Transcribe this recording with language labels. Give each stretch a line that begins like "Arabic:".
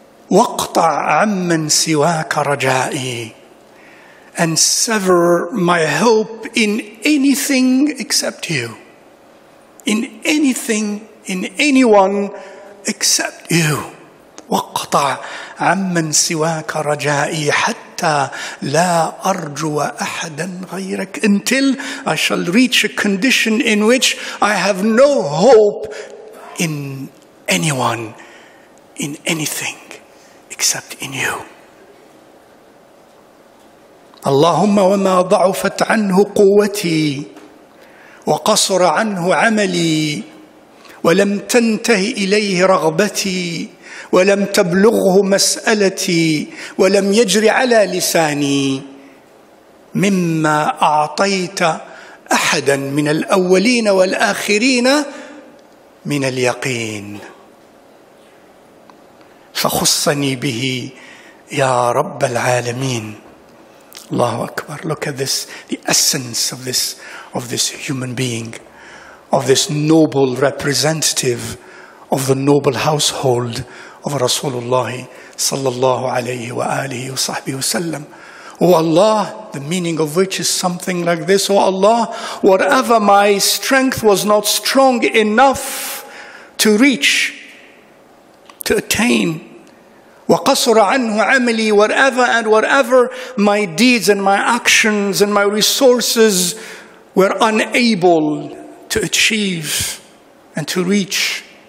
Arabic: Waqta' amman siwaka raja'i.
English: And sever my hope in anything except you. In anything, in anyone except you.
Arabic: وَقْطَعْ عَمَّنْ سِوَاكَ رَجَائِي حَتَّى لَا أَرْجُوَ أَحَدًا غَيْرَكَ.
English: Until I shall reach a condition in which I have no hope in anyone, in anything except in you.
Arabic: اللهم وما ضعفت عنه قوتي وقصر عنه عملي ولم تنته إليه رغبتي ولم تبلغه مسألتي ولم يجر على لساني مما أعطيت أحدا من الأولين والآخرين من اليقين فخصني به يا رب العالمين. Allahu Akbar.
English: Look at this, the essence of this human being, of this noble representative of the noble household of Rasulullah sallallahu alayhi wa alihi wa sahbihi wa sallam. O Allah, the meaning of which is something like this. O Allah, whatever my strength was not strong enough to reach, to attain,
Arabic: وَقَصُرَ عَنْهُ عَمَلِي,
English: whatever and whatever my deeds and my actions and my resources were unable to achieve and to reach,